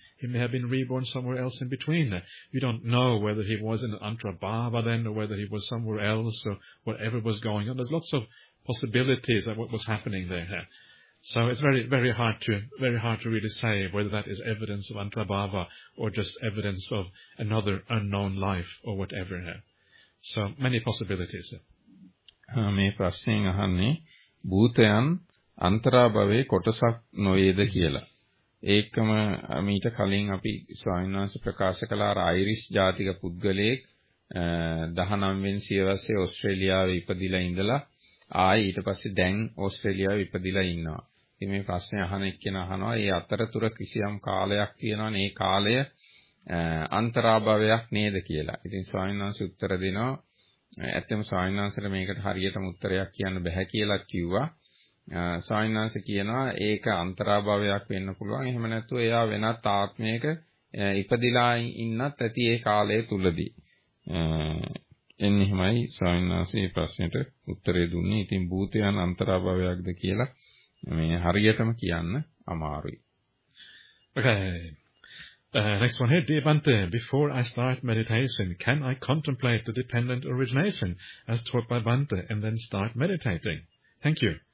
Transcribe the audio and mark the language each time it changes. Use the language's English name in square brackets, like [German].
[English] He may have been reborn somewhere else in between. We don't know whether he was in Antarabhava then, or whether he was somewhere else, or whatever was going on. There's lots of possibilities of what was happening there. So it's very, very hard to really say whether that is evidence of Antarabhava or just evidence of another unknown life or whatever. So many possibilities. [Sinhala] මේ ප්‍රශ්නෙන් අහන්නේ භූතයන් අන්තරාභවයේ කොටසක් නොවේද කියලා. ඒකම මීට කලින් අපි ස්වාමීන් වහන්සේ ප්‍රකාශ කළ අර අයිරිෂ් ජාතික පුද්ගලයෙක් 19 වෙනි සියවසේ ඕස්ට්‍රේලියාවේ ඉපදිලා ඉඳලා ආයේ ඊට පස්සේ දැන් ඕස්ට්‍රේලියාවේ ඉපදිලා ඉන්නවා. ඉතින් මේ ප්‍රශ්නේ අහන එක්කෙනා අහනවා මේ අතරතුර කිසියම් කාලයක් තියෙනවනේ මේ කාලය අන්තරාභවයක් නේද කියලා. ඉතින් ස්වාමීන් වහන්සේ උත්තර දෙනවා ඇත්තම ස්වාමීන් වහන්සේට මේකට හරියටම උත්තරයක් කියන්න බෑ කියලා කිව්වා. ස්වාමීන් වහන්සේ කියනවා ඒක අන්තරාභවයක් වෙන්න පුළුවන්. එහෙම නැත්නම් එයා වෙනත් ආත්මයක ඉපදිලා ඉන්නත් ඇති ඒ කාලය තුලදී. එන්නෙමයි ස්වාමීන් වහන්සේ මේ ප්‍රශ්නෙට උත්තරේ දුන්නේ. ඉතින් භූතයන් අන්තරාභවයක්ද කියලා මේ හරියටම කියන්න අමාරුයි. [English] Okay. Next one here, dear Bhante, before I start meditation, can I contemplate the dependent origination as taught by Bhante and then start meditating? Thank you.